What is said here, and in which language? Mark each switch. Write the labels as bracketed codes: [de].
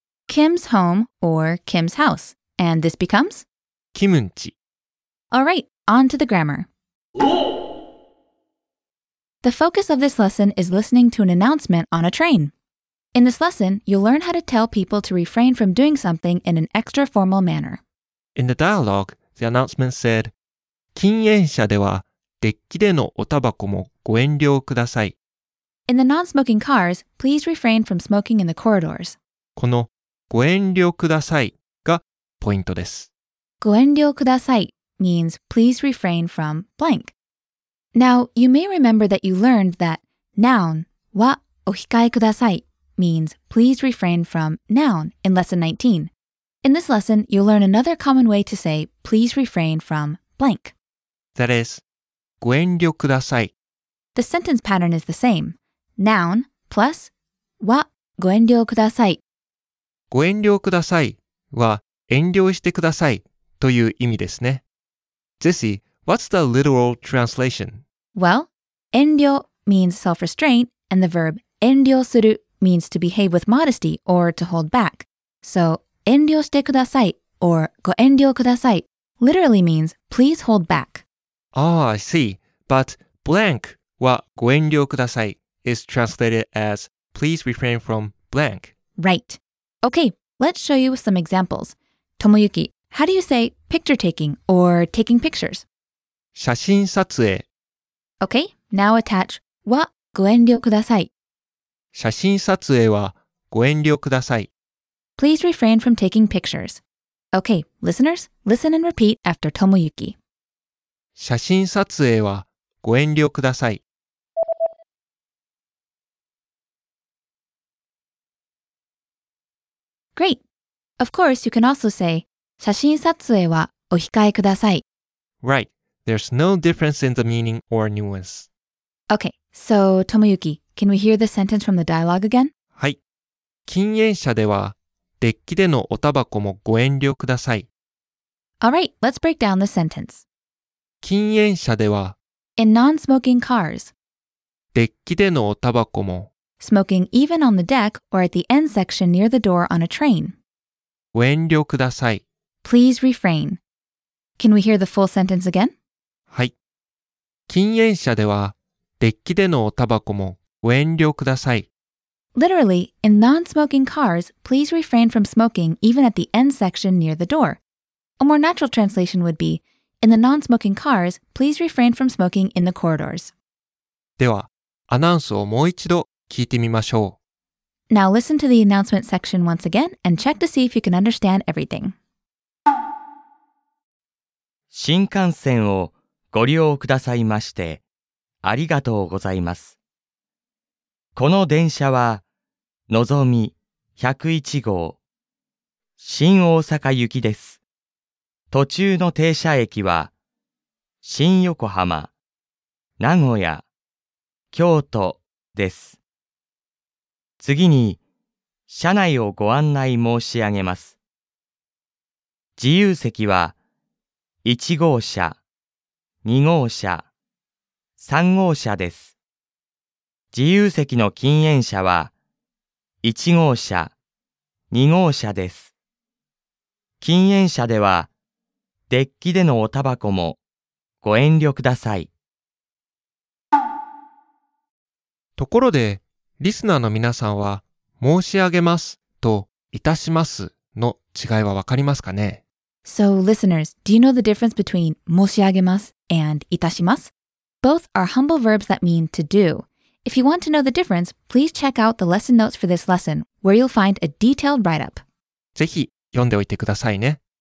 [en] Kim's home or Kim's house. And this becomes? [ja] Kim んち. [en] All right, on to the grammar. The focus of this lesson is listening to an announcement on a train. In this lesson, you'll learn how to tell people to refrain from doing something in an extra formal manner. In the dialogue, the announcement said, [ja] 禁煙車ではデッキでのおタバコもご遠慮ください。 [en] In the non-smoking cars, please refrain from smoking in the corridors. [ja] このご遠慮くださいがポイントです。 [en] ご遠慮ください means please refrain from blank. Now, you may remember that you learned that noun [ja] はお控えください [en] means please refrain from noun in lesson 19. In this lesson, you'll learn another common way to say please refrain from blank. That is, ご遠慮ください. The sentence pattern is the same. Noun plus [ja] はご遠慮ください. ご遠慮くださいは遠慮してくださいという意味ですね. [en] Jesse, what's the literal translation? Well, 遠慮 means self-restraint and the verb 遠慮する means to behave with modesty or to hold back. So, 遠慮してください or ご遠慮ください literally means please hold back. Ah, I see. But blank [ja] はご遠慮ください [en] is translated as please refrain from blank. Right. Okay, let's show you some examples. Tomoyuki, how do you say picture taking or taking pictures? [ja] 写真撮影. [en] Okay, now attach [ja] はご遠慮ください写真撮影はご遠慮ください。 [en] Please refrain from taking pictures. Okay, listeners, listen and repeat after Tomoyuki. [ja] 写真撮影はご遠慮ください。 [en] Great! Of course, you can also say, [ja] 写真撮影はお控えください。 [en] Right, there's no difference in the meaning or nuance. Okay, so Tomoyuki,Can we hear the sentence from the dialogue again? [ja] はい。禁煙車では、デッキでのおタバコもご遠慮ください。 [en] Alright, let's break down the sentence. [ja] 禁煙車では、 [en] In non-smoking cars, [ja] デッキでのおタバコも、 [en] Smoking even on the deck or at the end section near the door on a train. [ja] ご遠慮ください。 [en] Please refrain. Can we hear the full sentence again? [ja] はい。禁煙車では、デッキでのおタバコもご遠慮ください。 [en] Literally, in non-smoking cars, please refrain from smoking even at the end section near the door. A more natural translation would be, in the non-smoking cars, please refrain from smoking in the corridors. [ja] では、アナウンスをもう一度聞いてみましょう。 [en] Now listen to the announcement section once again and check to see if you can understand everything. [ja] 新幹線をご利用くださいまして、ありがとうございます。この電車は、のぞみ101号、新大阪行きです。途中の停車駅は、新横浜、名古屋、京都です。次に、車内をご案内申し上げます。自由席は、1号車、2号車、3号車です。自由席の禁煙車は、1号車、2号車です。禁煙車では、デッキでのおタバコも、ご遠慮ください。ところで、リスナーの皆さんは、申し上げますと、いたしますの違いはわかりますかね? [en] So, listeners, do you know the difference between 申し上げます and いたします? Both are humble verbs that mean to do. If you want to know the difference, please check out the lesson notes for this lesson, where you'll find a detailed write-up. [ja] ぜひ読んでおいてくださいね。